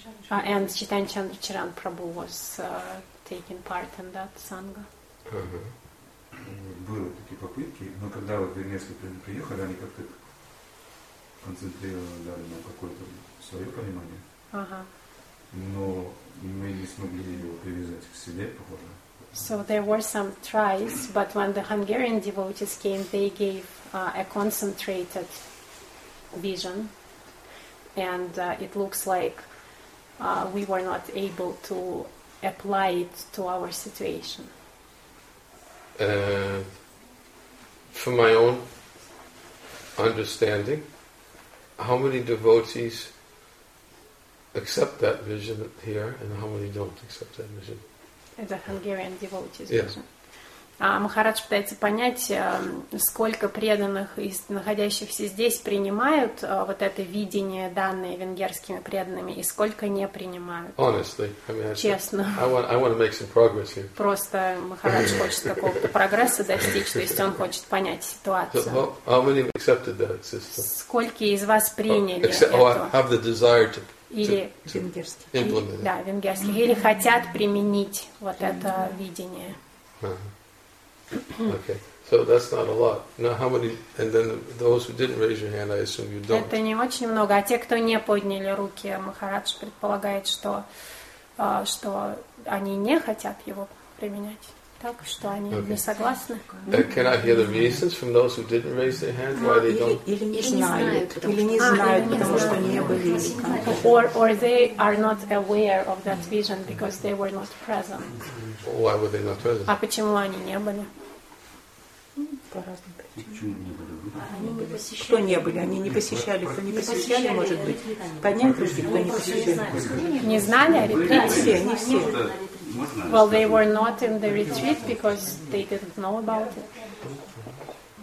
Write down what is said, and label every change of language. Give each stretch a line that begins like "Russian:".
English: And Chitan Chandracharan Prabhu was taking part in that sangha.
Russian: Были такие попытки, но когда вы несколько раз приехали, они как-то концентрировали на какое-то свое понимание. Но мы не смогли его привязать к себе, похоже.
English: So there were some tries, but when the Hungarian devotees came, they gave a concentrated vision. And it looks like we were not able to apply it to our situation. And from my own understanding, how many devotees accept that vision here, and how many don't accept that vision? The Hungarian devotees. Yes.
Russian: Махарадж пытается понять, сколько преданных, из находящихся здесь, принимают вот это видение, данное венгерскими преданными, и сколько не принимают.
English: Honestly,
Russian: честно.
English: I want to make some progress here.
Russian: Просто Махарадж хочет какого-то прогресса достичь, то есть он хочет понять ситуацию.
English: So, how many have accepted that system?
Russian: Сколько из вас приняли это?
English: Oh, I have the desire to...
Russian: Или венгерский.
English: Implement it.
Russian: Да, венгерский. Mm-hmm. Или хотят применить вот это видение.
English: Okay, so that's not a lot. Now, how many? And then those who didn't raise your hand, I assume you don't.
Russian: Это не очень много. А те, кто не подняли руки, Махарадж предполагает, что что они не хотят его применять, так что они не согласны.
English: Can I hear the reasons from those who didn't raise their hand why they don't?
Russian: Или не знают, или не знают, потому что не были.
English: Or they are not aware of that vision because they were not present. Why were they not present?
Russian: А почему они не были? По разным причинам. Кто не были? Они не посещали. Кто не посещали, может быть. Поднять руки, кто не посещал. Не знали о ретрите? Не все, не все.
English: Well, they were not in the retreat because they didn't know about it.